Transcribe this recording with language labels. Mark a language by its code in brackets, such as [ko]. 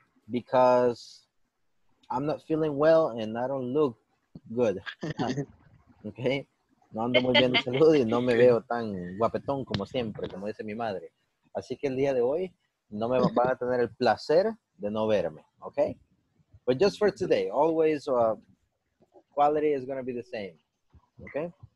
[en] Because I'm not feeling well and I don't look good. [es] Okay, no ando muy bien de salud y no me veo tan guapetón como siempre, como dice mi madre. Así que el día de hoy no me van a tener el placer de no verme, okay? [en] But just for today, always quality is going to be the same, okay?